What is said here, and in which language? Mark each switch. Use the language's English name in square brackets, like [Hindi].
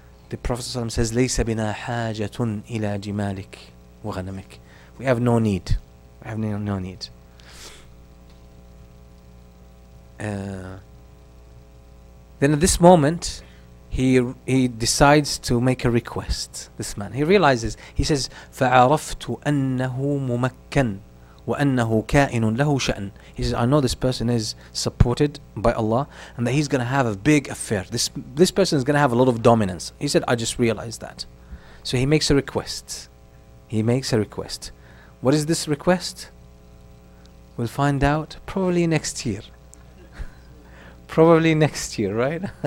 [English] The Prophet ﷺ says, [Arabic] لَيْسَ بِنَا حَاجَةٌ إِلَىٰ جِمَالِكَ وَغَنَمِكَ. [English] We have no need. We have no need. Then at this moment, he decides to make a request. This man. He realizes. He says, [Arabic] فَعَرَفْتُ أَنَّهُ مُمَكَّنُ وَأَنَّهُ كَائِنٌ لَهُ شَأْنٌ. [English] He says, I know this person is supported by Allah and that he's going to have a big affair. This person is going to have a lot of dominance. He said, I just realized that. So he makes a request. He makes a request. What is this request? We'll find out probably next year. Probably next year, right?